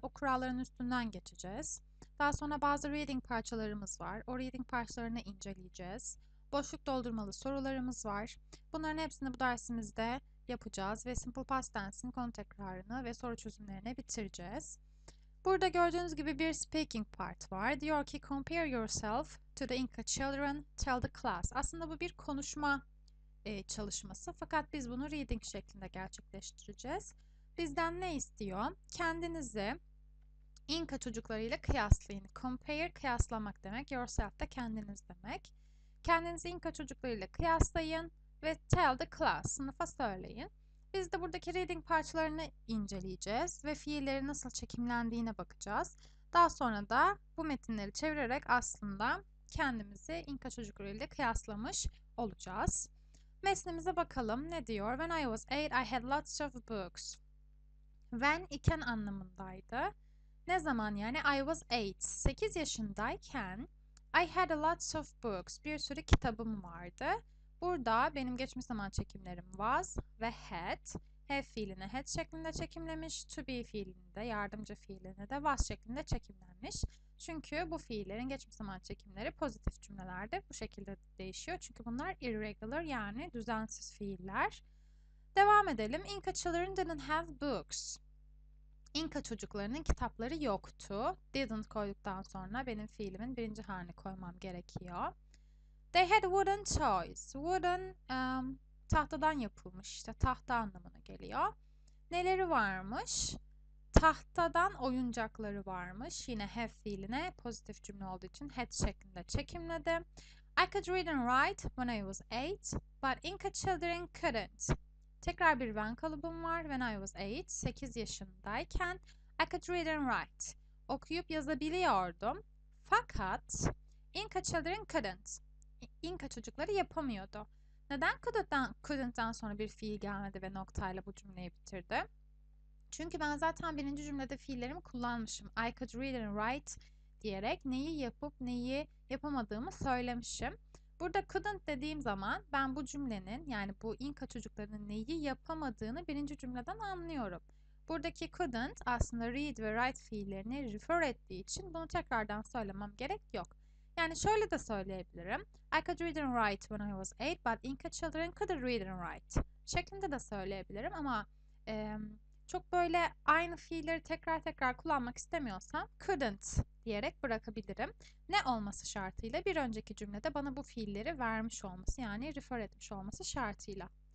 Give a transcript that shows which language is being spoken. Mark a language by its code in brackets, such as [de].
[tr] O kuralların üstünden geçeceğiz. Daha sonra bazı reading parçalarımız var. O reading parçalarını inceleyeceğiz. Boşluk doldurmalı sorularımız var. Bunların hepsini bu dersimizde yapacağız ve simple past tense'in konu tekrarını ve soru çözümlerini bitireceğiz. Burada gördüğünüz gibi bir speaking part var. Diyor ki, [en] compare yourself to the Inca children, tell the class. [tr] Aslında bu bir konuşma çalışması. Fakat biz bunu reading şeklinde gerçekleştireceğiz. Bizden ne istiyor? Kendinizi Inca çocuklarıyla kıyaslayın. Compare, kıyaslamak demek. Yourself de kendiniz demek. Kendinizi Inca çocuklarıyla kıyaslayın ve [en] tell the class, [tr] sınıfa söyleyin. Biz de buradaki reading parçalarını inceleyeceğiz ve fiillerin nasıl çekimlendiğine bakacağız. Daha sonra da bu metinleri çevirerek aslında kendimizi Inka çocuklarıyla kıyaslamış olacağız. Metnimize bakalım ne diyor? [en] When I was 8, I had lots of books. [tr] When iken anlamındaydı. Ne zaman yani? [en] I was 8. [tr] 8 yaşındayken [en] I had lots of books. [tr] Bir sürü kitabım vardı. Burada benim geçmiş zaman çekimlerim was ve had. Have fiilini had şeklinde çekimlemiş. To be fiilini de, yardımcı fiilini de was şeklinde çekimlenmiş. Çünkü bu fiillerin geçmiş zaman çekimleri pozitif cümlelerde bu şekilde değişiyor. Çünkü bunlar irregular, yani düzensiz fiiller. Devam edelim. [en] Inca children didn't have books. [tr] Inca çocuklarının kitapları yoktu. Didn't koyduktan sonra benim fiilimin birinci halini koymam gerekiyor. [en] They had wooden toys. Wooden, [tr] tahtadan yapılmış, işte tahta anlamına geliyor. Neleri varmış? Tahtadan oyuncakları varmış. Yine have fiiline pozitif cümle olduğu için had şeklinde çekimledim. [en] I could read and write when I was 8, but Inca children couldn't. [tr] Tekrar bir [en] when [tr] kalıbım var. [en] When I was 8, [tr] 8 yaşındayken [en] I could read and write. [tr] Okuyup yazabiliyordum. Fakat [en] Inca children couldn't. [tr] İnka çocukları yapamıyordu. Neden couldn't'dan sonra bir fiil gelmedi ve noktayla bu cümleyi bitirdi? Çünkü ben zaten birinci cümlede fiillerimi kullanmışım. [en] I could read and write [tr] diyerek neyi yapıp neyi yapamadığımı söylemişim. Burada couldn't dediğim zaman ben bu cümlenin, yani bu İnka çocuklarının neyi yapamadığını birinci cümleden anlıyorum. Buradaki couldn't aslında read ve write fiillerini refer ettiği için bunu tekrardan söylemem gerek yok. Yani şöyle de söyleyebilirim. [en] I could read and write when I was 8, but Inca children couldn't read and write. [tr] Şeklinde de söyleyebilirim ama çok böyle aynı fiilleri tekrar tekrar kullanmak istemiyorsam couldn't diyerek bırakabilirim. Ne olması şartıyla? Bir önceki cümlede bana bu fiilleri vermiş olması, yani refer etmiş olması şartıyla.